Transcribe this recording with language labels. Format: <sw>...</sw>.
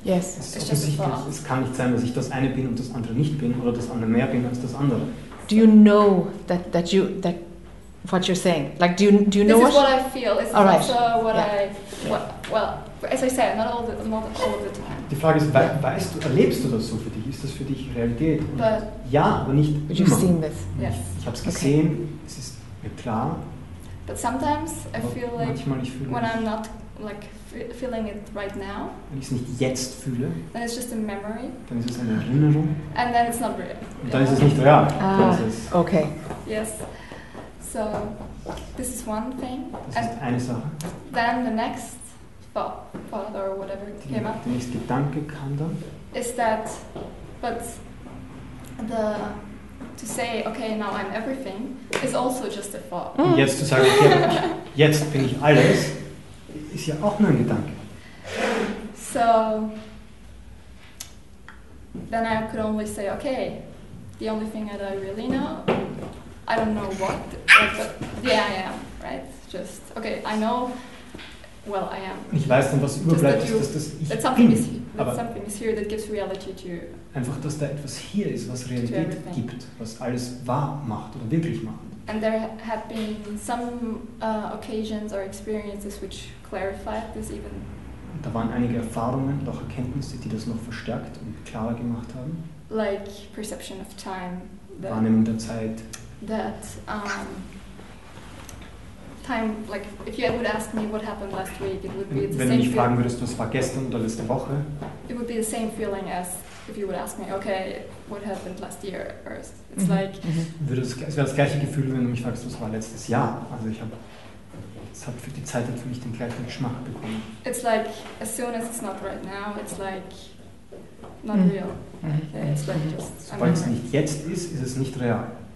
<en>Yes. It's just a thought.</en> <de>Es kann nicht sein, dass ich das eine bin und das andere nicht bin oder das andere mehr bin als das andere.</de> <en>Do you know that what you're saying? Like, do you know what? This is what I feel. It's right. Also what, yeah. I, what, well, as I said, not all the time.</en> <de>Die Frage ist, weißt du, erlebst du das so für dich? Ist das für dich Realität?</de> <en>But</en> <de>ja, aber nicht immer.</de> <en>You've seen this. Yes.</en> <de>Ich habe es gesehen. Okay. Es ist mir klar.</de> <en>But sometimes I feel like when</en> <de>mich,</de> <en>I'm not like feeling it right now.</en> <de>Wenn ich es nicht jetzt fühle.</de> <en>Then it's just a memory.</en> <de>Dann ist es eine Erinnerung.</de> <en>And then it's not real.</en> <de>Und dann ist es nicht real.</de> <en>Ah, okay. Yes. So, this is one thing.</en> <de>Das ist eine Sache.</de> <en>Then the next thought or whatever came up.</en> <de>Der nächste Gedanke kam dann.</de> <en>Is that, but the to say, okay, now I'm everything, is also just a thought. Mm.</en> <de>Und jetzt zu sagen, okay, jetzt bin ich alles, ist ja auch nur ein Gedanke.</de> <en>So, then I could only say, okay, the only thing that I really know, I don't know what, but yeah, I am, right? Just, okay, I know, well, I am.</en> <de>Ich weiß dann, was überbleibt, ist, dass das ich bin.</de> <en>That something is here that gives reality to you.</en> <de>Einfach, dass da etwas hier ist, was Realität gibt, was alles wahr macht oder wirklich macht.</de> <en>And there have been some occasions or experiences which clarified this even.</en> <de>Und da waren einige Erfahrungen, auch Erkenntnisse, die das noch verstärkt und klarer gemacht haben.</de> <en>Like perception of time.</en> <de>That Wahrnehmung der Zeit.</de> <en>That time, like if you would ask me what happened last week, it would be the same feeling.</en> <de>Wenn du mich fragen würdest, was war gestern oder letzte Woche?</de> <en>It would be the same feeling as if you would ask me, okay, what happened last year? Or it's mm-hmm. like. Mm-hmm.</en> <de>Es wäre das gleiche Gefühl, wenn du mich fragst, was war letztes Jahr? Also ich habe, es hat für die Zeit hat für mich den gleichen Geschmack bekommen.</de> <en>It's like as soon as it's not right now, it's like not mm-hmm. real. Okay, it's like just.</en> <de>Sobald es nicht jetzt ist, ist es nicht real.</de>